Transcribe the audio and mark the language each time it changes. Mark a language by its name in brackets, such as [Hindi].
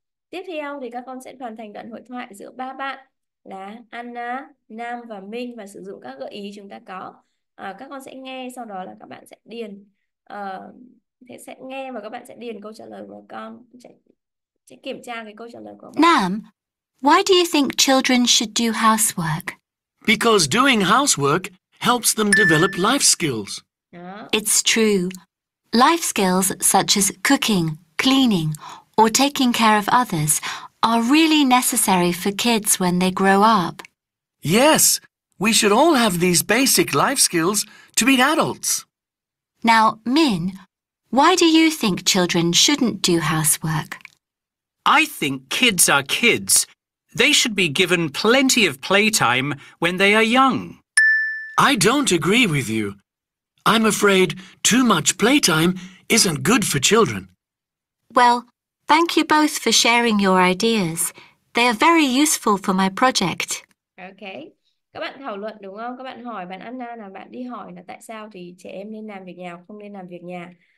[Vietnamese] Tiếp theo thì các con sẽ hoàn thành đoạn hội thoại giữa ba bạn là Anna, Nam và Minh và sử dụng các gợi ý chúng ta có. Các con sẽ nghe, sau đó là các bạn sẽ điền, thế sẽ nghe và các bạn sẽ điền câu trả lời của con, sẽ kiểm tra cái câu trả lời của bạn. [English] Nam, why do you think children should do housework? Because doing housework helps them develop life skills. [Vietnamese] Đó. [English] It's true. Life skills such as cooking, cleaning, or taking care of others are really necessary for kids when they grow up. Yes, we should all have these basic life skills to be adults. Now, Min, why do you think children shouldn't do housework? I think kids are kids. They should be given plenty of playtime when they are young. I don't agree with you. I'm afraid too much playtime isn't good for children. Well, thank you both for sharing your ideas. They are very useful for my project. Okay. [Vietnamese] Các bạn thảo luận đúng không? Các bạn hỏi bạn Anna là bạn đi hỏi là tại sao thì trẻ em nên làm việc nhà không nên làm việc nhà.